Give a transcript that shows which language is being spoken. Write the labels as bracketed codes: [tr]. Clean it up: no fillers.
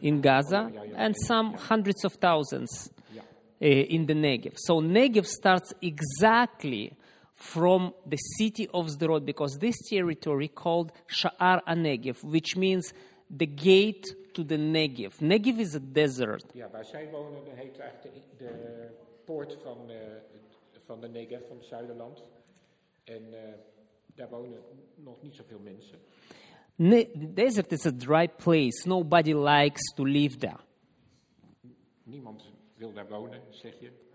[en] in Gaza. And some hundreds of thousands in the Negev. So Negev starts exactly from the city of Sderot, because this territory called Sha'ar HaNegev, which means the gate to the Negev. Negev is a desert. [nl] Ja, waar zij wonen, heet eigenlijk de poort van de Negev, van het Zuiderland. En daar wonen nog niet zoveel mensen. [en] Desert is a dry place. Nobody likes to live there. [nl] Niemand wil daar wonen, zeg je.